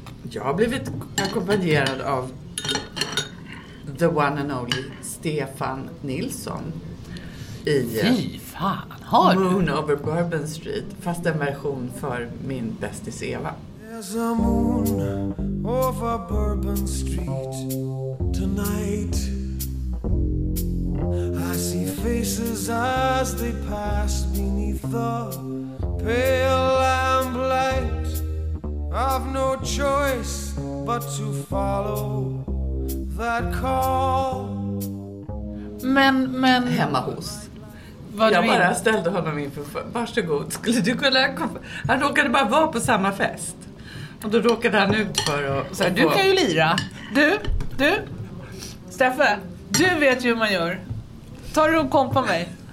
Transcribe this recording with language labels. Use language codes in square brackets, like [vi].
[sv] Jag har blivit ackompanjerad av [en] the one and only [sv] Stefan Nilsson i Moon over Bourbon Street, fast en version för min bästis Eva. [en] There's a moon over Bourbon Street tonight. I see faces as they pass beneath the pale lamplight. I've no choice but to follow that call. [sv] Men hemma hos. Var jag bara in? Ställde honom inför. Varsågod, skulle du kunna komma? Han råkade bara vara på samma fest. Och då råkade han ut för att... Du kan ju lira. Du. Steffe, du vet ju hur man gör. Ta du och kompa mig.